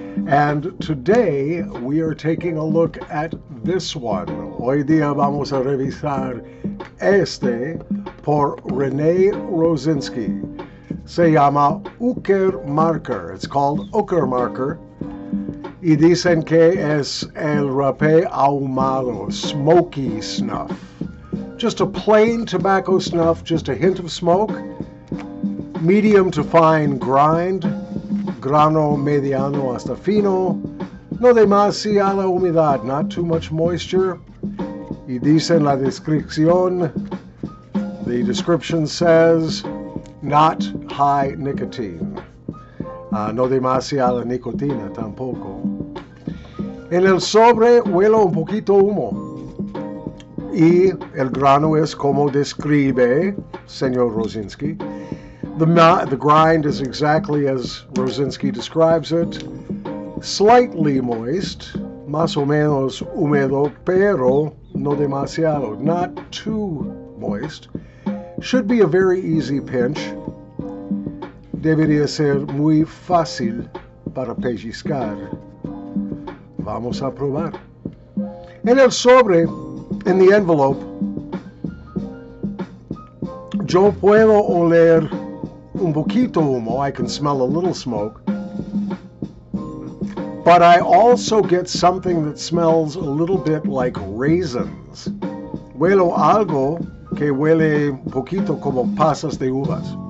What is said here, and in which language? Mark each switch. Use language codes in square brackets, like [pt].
[en] And today we are taking a look at this one. [es] Hoy día vamos a revisar este por Rene Rosinski. Se llama Uckermarker. [en] It's called Uckermarker. [es] Y dicen que es el rapé ahumado, [en] smoky snuff. Just a plain tobacco snuff, just a hint of smoke. Medium to fine grind. [es] Grano mediano hasta fino. No demasiada humedad, [en] not too much moisture. [es] Y dicen la descripción. [en] The description says, not high nicotine. [es] No demasiada nicotina tampoco. En el sobre huele un poquito humo. Y el grano es como describe, señor Rosinski. [en] The grind is exactly as Rosinski describes it. Slightly moist, [es] más o menos húmedo, pero no demasiado, [en] not too moist. Should be a very easy pinch. [es] Debería ser muy fácil para pellizcar. Vamos a probar. En el sobre, en [en] the envelope, [es] yo puedo oler un poquito humo. [en] I can smell a little smoke. But I also get something that smells a little bit like raisins. [es] Huelo algo que huele un poquito como pasas de uvas.